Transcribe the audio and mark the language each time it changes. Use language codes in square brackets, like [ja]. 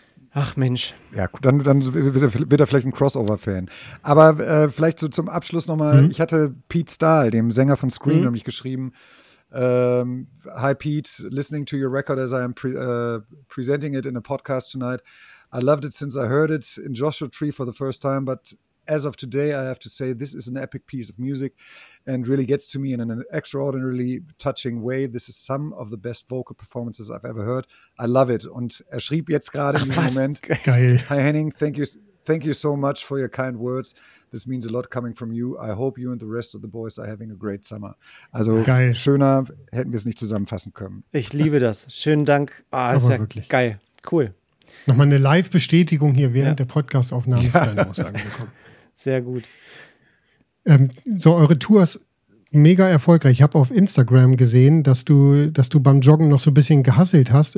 [de] Ach Mensch. Ja, dann wird er vielleicht ein Crossover-Fan. Aber vielleicht so zum Abschluss nochmal, ich hatte Pete Stahl, dem Sänger von Scream, nämlich geschrieben, [en] hi Pete, listening to your record as I am presenting it in a podcast tonight. I loved it since I heard it in Joshua Tree for the first time, but as of today, I have to say this is an epic piece of music and really gets to me in an extraordinarily touching way. This is some of the best vocal performances I've ever heard. I love it. [de] Und er schrieb jetzt gerade in diesem Moment. Geil. [en] Hi Henning, thank you so much for your kind words. This means a lot coming from you. I hope you and the rest of the boys are having a great summer. [de] Also geil. Schöner hätten wir es nicht zusammenfassen können. Ich liebe das. Schönen Dank. Ah, oh, ist ja wirklich geil. Cool. Nochmal eine Live-Bestätigung hier während der Podcast-Aufnahme für deine Aussagen bekommen. Sehr gut. So, eure Tour ist mega erfolgreich. Ich habe auf Instagram gesehen, dass du beim Joggen noch so ein bisschen gehasselt hast.